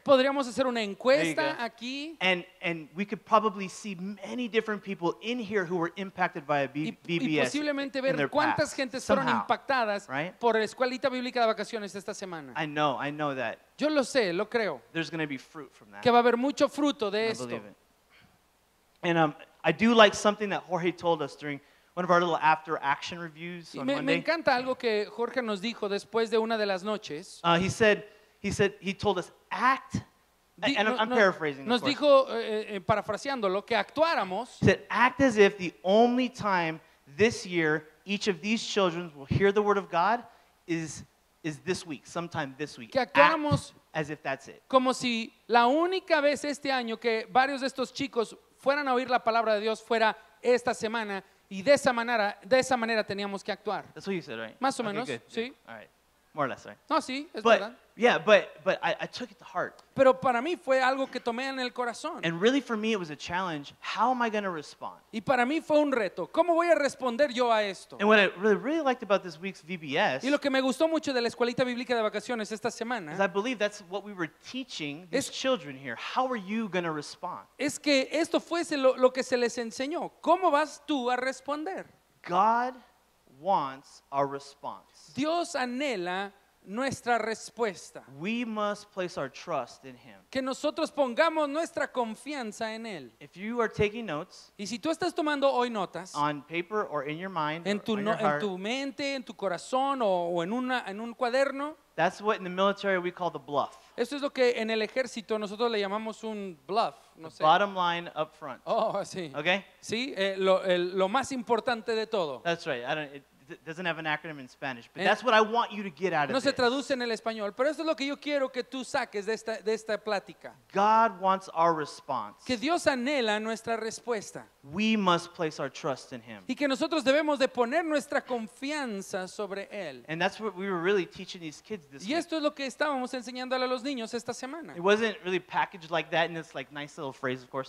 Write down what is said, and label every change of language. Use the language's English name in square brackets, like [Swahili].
[Spanish] Podríamos hacer una encuesta aquí. [English] And we could probably see many different people in here who were impacted by a BBS. [Spanish] Y posiblemente ver cuántas gentes fueron impactadas, [English] right? [Spanish] Por la escuelita bíblica de vacaciones esta semana. [English] I know that. [Spanish] Yo lo sé, lo creo. [English] There's going to be fruit from that. [Spanish] Que va a haber mucho fruto de esto. [English] I believe it. And I do like something that Jorge told us during one of our little after-action reviews on Monday. [Spanish] Me encanta algo que Jorge nos dijo después de una de las noches. [English] He said he told us act. And I'm paraphrasing. [Spanish] Nos dijo, parafraseándolo, que actuáramos. [English] He said act as if the only time this year each of these children will hear the word of God is this week, sometime this week. [Spanish] Que actuáramos [English] as if that's it. [Spanish] Como si la única vez este año que varios de estos chicos fueran a oír la palabra de Dios fuera esta semana. Y de esa manera teníamos que actuar. [English] That's what you said, right? [Spanish] Más o menos, [English] good. [Spanish] Sí. [English] Yeah. All right. More or less, right? [Spanish] No, sí, es [English] but, [Spanish] verdad. [English] Yeah, but I took it to heart. [Spanish] Pero para mí fue algo que tomé en el corazón. [English] And really for me it was a challenge. How am I going to respond? [Spanish] Y para mí fue un reto. ¿Cómo voy a responder yo a esto? [English] And what I really, really liked about this week's VBS, [Spanish] y lo que me gustó mucho de la escuelita bíblica de vacaciones esta semana, [English] is I believe that's what we were teaching these children here. How are you going to respond? [Spanish] Es que esto fuese lo que se les enseñó. ¿Cómo vas tú a responder? [English] God wants our response. [Spanish] Dios anhela nuestra respuesta. [English] We must place our trust in him. [Spanish] Que nosotros pongamos nuestra confianza en él. [English] If you are taking notes, [Spanish] y si tú estás tomando hoy notas, [English] on paper or in your mind, [Spanish] en tu, [English] or on your heart, [Spanish] en tu mente, en tu corazón o en una en un cuaderno, [English] that's what in the military we call the bluff. [Spanish] Esto es lo que en el ejército nosotros le llamamos un bluff. No [English] the [Spanish] sé. [English] Bottom line up front. [Spanish] Oh, sí. [English] Okay. [Spanish] Sí, lo más importante de todo. [English] That's right. It doesn't have an acronym in Spanish, but that's what I want you to get out of this. [Spanish] No se traduce en el español, pero esto es lo que yo quiero que tú saques de esta plática. [English] God wants our response. [Spanish] Que Dios anhela nuestra respuesta. [English] We must place our trust in him. [Spanish] Y que nosotros debemos de poner nuestra confianza sobre él. [English] And that's what we were really teaching these kids this week. [Spanish] Y esto es lo que estábamos enseñándole a los niños esta semana. [English] It wasn't really packaged like that in this like nice little phrase, of course.